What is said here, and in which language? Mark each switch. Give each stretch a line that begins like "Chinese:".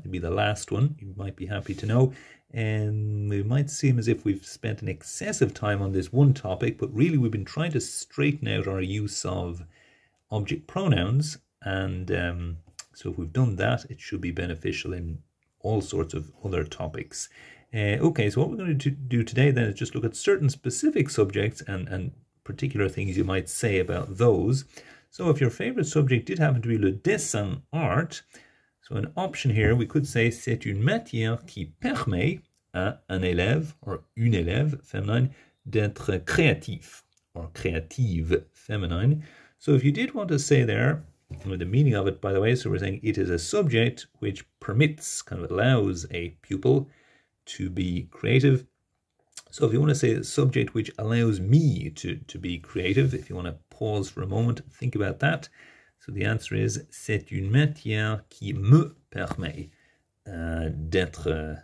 English: It'll be the last one, you might be happy to know. And it might seem as if we've spent an excessive time on this one topic, but really we've been trying to straighten out our use of object pronouns. And so if we've done that, it should be beneficial in all sorts of other topics. Okay, so what we're going to do today then is just look at certain specific subjects and particular things you might say about those. So if your favorite subject did happen to be
French: le dessin
English: art, so an option here, we could say
French: c'est une matière qui permet à un élève
English: or
French: une élève
English: feminine
French: d'être créatif
English: or
French: créative
English: feminine. So if you did want to say there with the meaning of it, by the way, so we're saying it is a subject which permits, kind of allows a pupil to be creative. So if you want to say a subject which allows me to be creative, if you want to pause for a moment, think about that. So the answer is,
French: c'est une matière qui me permet d'être.